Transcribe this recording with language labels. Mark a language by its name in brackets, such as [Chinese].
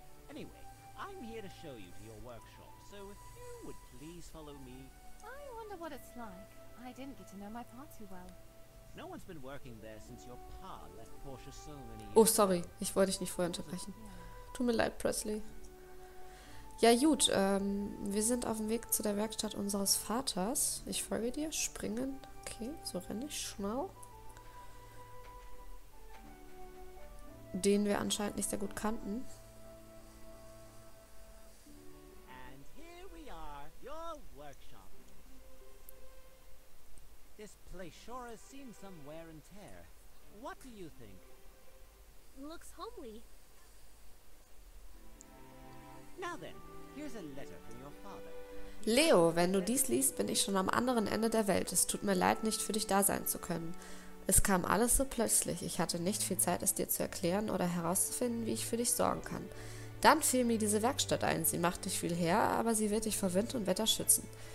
[English] Anyway, I'm here to show you to your workshop, so if you would please follow me. I wonder what it's like. I didn't get to know my pa too well. No one's been working there since your pa left Porsche so many years. Oh, sorry. [German] Ich wollte dich nicht vorher unterbrechen. Tut mir leid, Presley. Ja, gut. Wir sind auf dem Weg zu der Werkstatt unseres Vaters. Ich folge dir. Springen. Okay, so renne ich schnell. Den wir anscheinend nicht sehr gut kannten. [English] And here we are, your workshop. This place sure has seen some wear and tear. What do you think? Looks homely. Now then, here's a letter from your father. [German] Leo, wenn du dies liest, bin ich schon am anderen Ende der Welt. Es tut mir leid, nicht für dich da sein zu können. Es kam alles so plötzlich. Ich hatte nicht viel Zeit, es dir zu erklären oder herauszufinden, wie ich für dich sorgen kann. Dann fiel mir diese Werkstatt ein. Sie macht nicht viel her, aber sie wird dich vor Wind und Wetter schützen.